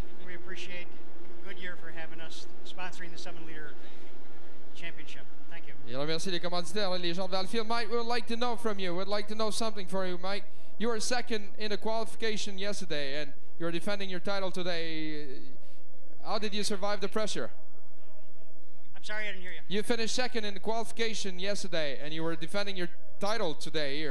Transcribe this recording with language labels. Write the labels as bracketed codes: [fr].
[en] We appreciate Goodyear for having us, sponsoring the 7-liter championship. [fr] Il remercie les commanditaires, les gens de Valleyfield. [en] Mike, we'd like to know from you. We'd like to know something for you, Mike. You were second in the qualification yesterday, and you're defending your title today. How did you survive the pressure? I'm sorry, I didn't hear you. You finished second in the qualification yesterday, and you were defending your title today.